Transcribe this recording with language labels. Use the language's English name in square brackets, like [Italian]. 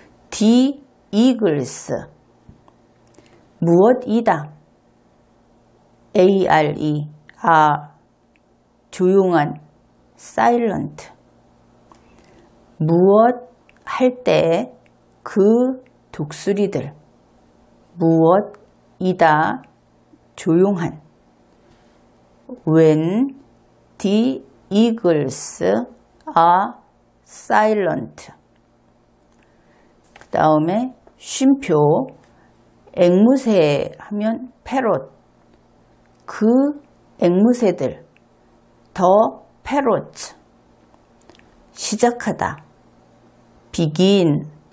[English] the eagles, [Korean] 무엇이다, [English] a-r-e, [Korean] 아, 조용한, [English] silent, [Korean] 무엇 할때그 독수리들, 무엇이다, 조용한. [English] When the eagles are silent. [Korean] 그 다음에 쉼표, 앵무새 하면 parrot. 그 앵무새들, [English] the parrots. [Korean] 시작하다, begin.